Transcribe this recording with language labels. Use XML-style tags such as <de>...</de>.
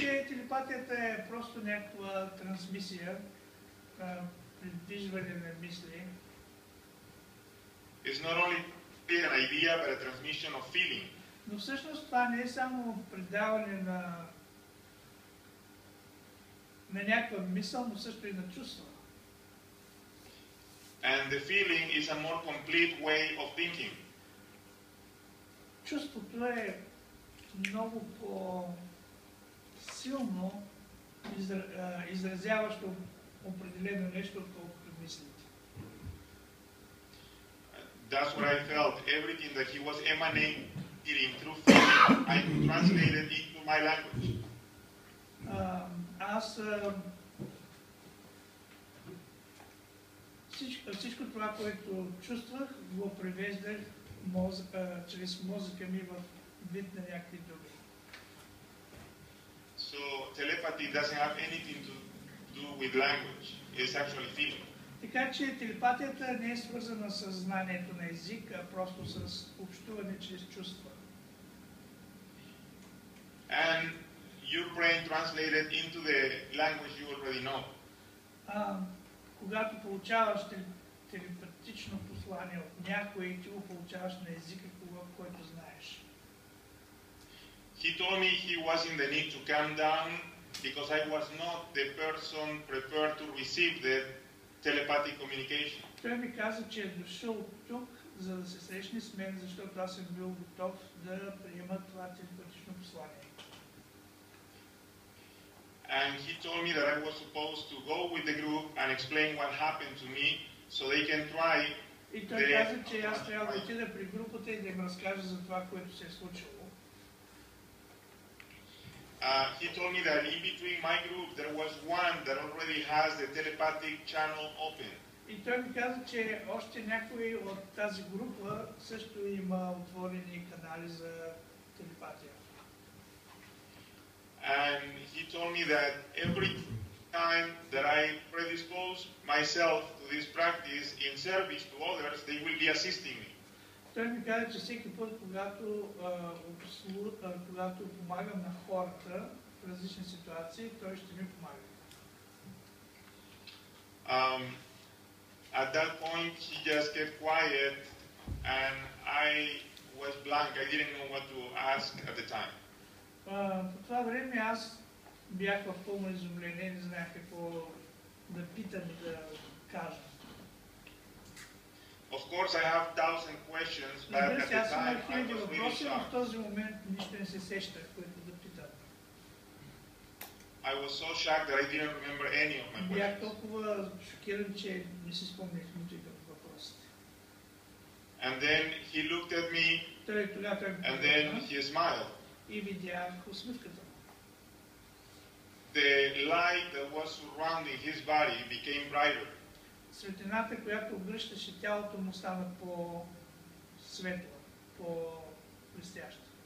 <bg>Че телепатията е просто някаква трансмисия, предвижване на мисли.</bg> <en>It's not only an idea, but a transmission of feeling.</en> <bg>Но всъщност това не е само предаване на някаква мисъл, но също и на чувства.</bg> <en>And the feeling is a more complete way of thinking.</en> <bg>Чувството е много по силно изразяващо определено нещо, отколкото мислите.</bg> <en>That's what I felt. Everything that he was emanating through feeling, I translated into my language.</en> <bg>Всичко това, което чувствах, го превеждах чрез мозъка ми в вид на някакви думи.</bg> <en>So telepathy doesn't have anything to do with language. It's actually feeling.</en> <bg>Така че телепатията не е свързана с знанието на език, а просто с общуване чрез чувства.</bg> <en>And your brain translated into the language you already know.</en> <bg>Когато получаваш телепатично послание от някой, ти го получаваш на езика, който знаеш.</bg> <en>He told me he was in the need to calm down because I was not the person prepared to receive the telepathic communication.</en> <bg>Той ми каза, че е дошъл тук, за да се срещне с мен, защото аз съм бил готов да приема това телепатично послание.</bg> <en>And he told me that I was supposed to go with the group and explain what happened to me so they can try.</en> <bg>И той каза, че аз трябва да отида при групата и да им разкажа за това, което се е случило.</bg> <en>He told me that in between my group there was one that already has the telepathic channel open.</en> <bg>И той ми каза, че още някой от тази група също има отворени канали за телепатия.</bg> <en>And he told me that every time that I predispose myself to this practice in service to others, they will be assisting me.</en> <bg>Той ми каза, че всеки път, когато помагам на хората в различни ситуации, той ще ми помага.</bg> <en>At that point, he just kept quiet, and I was blank. I didn't know what to ask at the time.</en> <bg>По това време аз бях в пълно изумление, не знаех какво да питам и да кажа.</bg> <en>Of course I have thousand questions, but at the time I was really shocked.</en> <bg>Аз имах хиляди въпроси, в този момент нищо не се сещах, което да питам.</bg> <en>I was so shocked that I didn't remember any of my questions.</en> <bg>Бях толкова шокиран, че не си спомнях нито един от въпросите.</bg> <en>And then he looked at me, and then he smiled.</en> <bg>И видях усмивката.</bg> <en>The light that was surrounding his body became brighter.</en> <bg>Светлината, която обгръщаше тялото му, стана по-светло, по-блестящо.</bg>